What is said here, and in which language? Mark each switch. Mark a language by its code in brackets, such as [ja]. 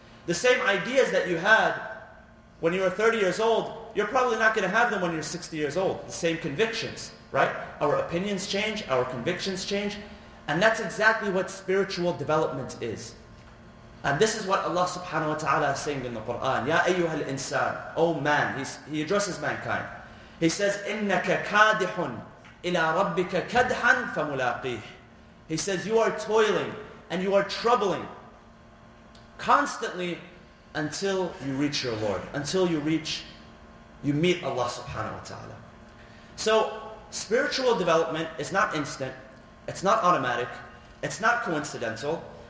[en] The same ideas that you had when you were 30 years old, you're probably not going to have them when you're 60 years old. The same convictions, right? Our opinions change, our convictions change, and that's exactly what spiritual development is. And this is what Allah subhanahu wa ta'ala is saying in the Qur'an. [ar] Ya ayyuha al-insan, [en] O man, he addresses mankind. [ar] He says, إِنَّكَ كَادِحٌ إِلَىٰ رَبِّكَ كَدْحًا فَمُلَاقِيهِ. [en] He says, you are toiling and you are troubling constantly until you reach your Lord, until you meet Allah subhanahu wa ta'ala. So spiritual development is not instant, it's not automatic, it's not coincidental.